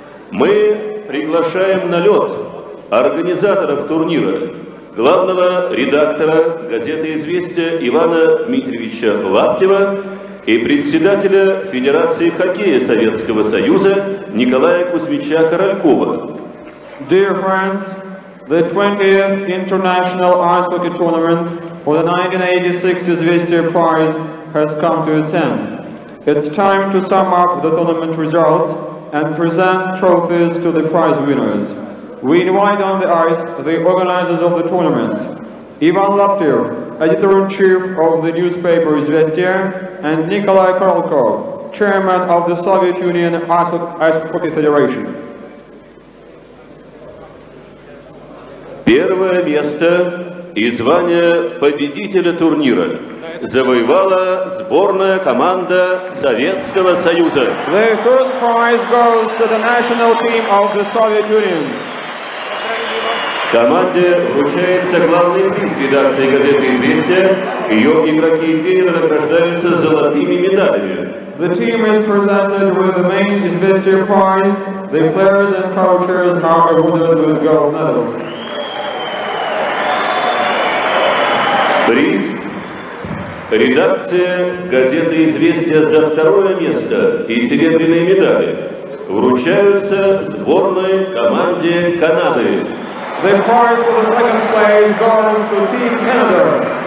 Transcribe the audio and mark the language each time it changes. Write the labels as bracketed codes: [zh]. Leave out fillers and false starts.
[ru] Мы приглашаем на лед организаторов турнира, главного редактора газеты «Известия» Ивана Дмитриевича Лаптева и председателя Федерации хоккея Советского Союза Николая Кузьмича Королькова. [en] Dear friends, the 20th International Ice Hockey Tournament for the 1986 Izvestia Prize has come to its end. It's time to sum up the tournament results and present trophies to the prize winners. We invite on the ice the organizers of the tournament. Ivan Laptev, editor-in-chief of the newspaper Izvestia, and Nikolai Korolkov, chairman of the Soviet Union Ice Hockey Federation. [ru] Первое место и звание победителя турнира завоевала сборная команда Советского Союза. [en] The first prize goes to the national team of the Soviet Union. [ru] Команде вручается главный приз редакции газеты «Известия». Ее игроки и тренеры награждаются золотыми медалями. [en] The team is presented with the main «Известия» prize. The players and coaches are awarded with gold medals. [ru] Приз редакция газеты «Известия» за второе место и серебряные медали вручаются сборной команде Канады. [en] The prize for the second place goes to Team Canada.